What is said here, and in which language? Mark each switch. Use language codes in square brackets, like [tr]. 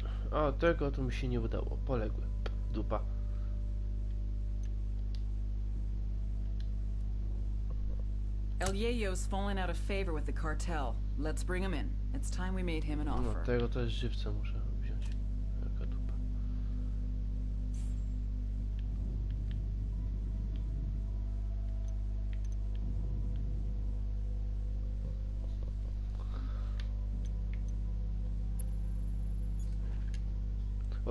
[pl] A tego to mi się nie udało. Poległy. Dupa. [en] El Yeyo's fallen out of favor with the cartel. Let's bring him in. It's time we made him an offer. [pl] No, tego też żywca muszę wziąć. Jaka dupa.